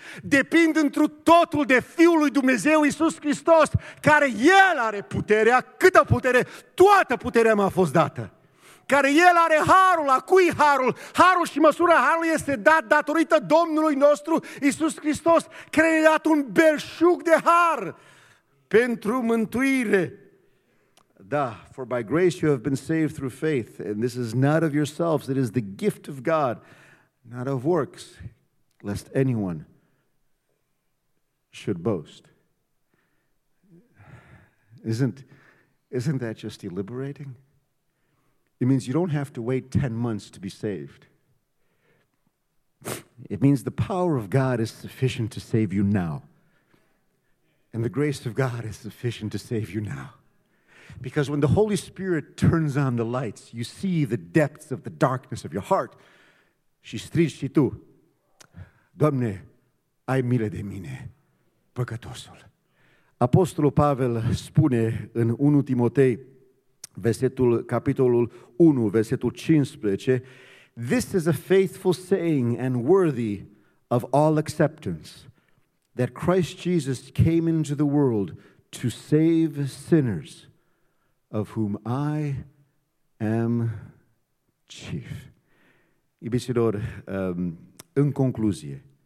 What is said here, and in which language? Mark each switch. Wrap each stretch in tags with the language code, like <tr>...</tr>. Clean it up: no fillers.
<ro>Depind întru totul de Fiul lui Dumnezeu, Iisus Hristos, care El are puterea, câtă putere, toată puterea mi-a fost dată. Care El are harul, a cui harul? Harul și măsura harului este dat datorită Domnului nostru, Iisus Hristos, care ne-a dat un belșug de har pentru mântuire.</ro> <en>Da, for by grace you have been saved through faith, and this is not of yourselves, it is the gift of God, not of works, lest anyone should boast. Isn't that just liberating? It means you don't have to wait 10 months to be saved. It means the power of God is sufficient to save you now. And the grace of God is sufficient to save you now. Because when the Holy Spirit turns on the lights, you see the depths of the darkness of your heart.</en> <ro>Și strigi și tu, Doamne, ai milă de mine, păcătosul. Apostolul Pavel spune în 1 Timotei, versetul, capitolul 1, versetul 15,</ro> <en>this is a faithful saying and worthy of all acceptance, that Christ Jesus came into the world to save sinners, of whom I am chief.</en> <ro>Iubiților, în concluzie,</ro>